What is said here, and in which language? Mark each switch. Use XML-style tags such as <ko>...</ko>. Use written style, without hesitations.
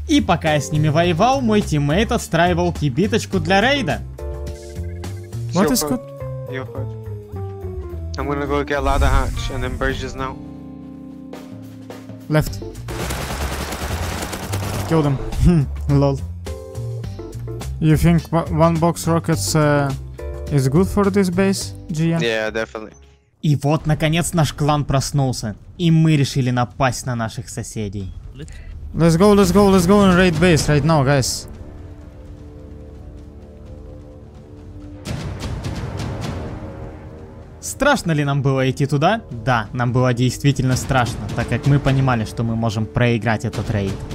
<ru>И пока я с ними воевал, мой тиммейт отстраивал кибиточку для рейда.</ru> <en>What is good? I'm gonna go get a ladder hatch and then bridges now. Left. Kill them. Lol. You think one box rockets is good for this base, GM? Yeah, definitely.</en> <ru>И вот, наконец, наш клан проснулся. И мы решили напасть на наших соседей.</ru> <en>Let's go in raid base right now, guys.</en> <ru>Страшно ли нам было идти туда? Да, нам было действительно страшно, так как мы понимали, что мы можем проиграть этот рейд.</ru>